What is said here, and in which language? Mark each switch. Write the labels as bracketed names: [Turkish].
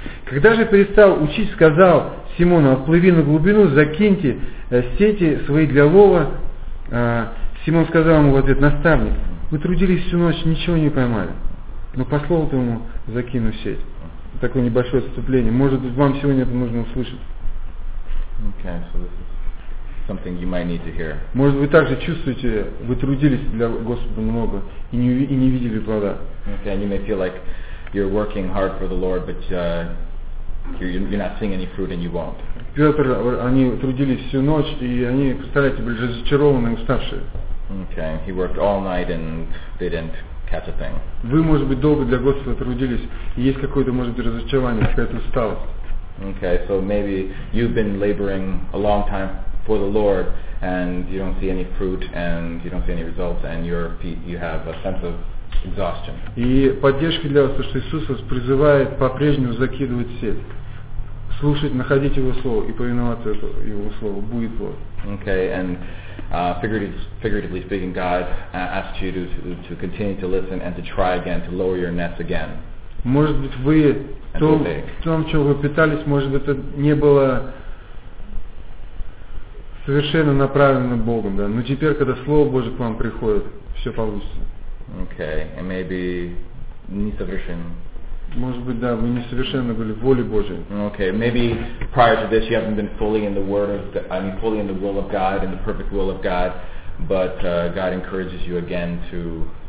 [Russian] Когда же перестал учить, сказал Симону: «Отплыви на глубину, закиньте сети свои для лова». Симон сказал ему в ответ: «Наставник, мы трудились всю ночь, ничего не поймали, но по слову твоему закину сеть». Такое небольшое отступление. Может быть, вам сегодня это нужно услышать. [English] Okay, so this is something you might need to hear. [Russian] Может, вы также чувствуете, вы трудились для Господа много и не видели плода. [English] Okay, and you may feel like you're working hard for the Lord, but you're not seeing any fruit, and you won't. [Russian] Петр, они трудились всю ночь, и они, представляете, были разочарованы, уставшие. [English] Okay, he worked all night and they didn't catch a thing. [Russian] Вы, может быть, долго для Господа трудились, и есть какое-то, может быть, разочарование, какая-то усталость. [English] Okay, so maybe you've been laboring a long time for the Lord, and you don't see any fruit, and you don't see any results, and you have a sense of exhaustion. [Russian] И поддержка для вас, то, что Иисус вас призывает по-прежнему закидывать сеть, слушать, находить Его Слово и повиноваться Его Слову, будет плод. [English] Okay, and figuratively speaking, God asks you to continue to listen and to try again, to lower your nets again. [Russian] Может быть, вы в том, чем вы питались, может быть, это не было совершенно направлено Богом, да? Но теперь, когда Слово Божие к вам приходит, все получится. [English] Okay, and maybe [Russian] несовершенно. Может быть, да, вы несовершенно были в воле Божьей. [English] Okay, maybe prior to this you haven't been fully in the word of the, I mean fully in the will of God, in the perfect will of God, but God encourages you again to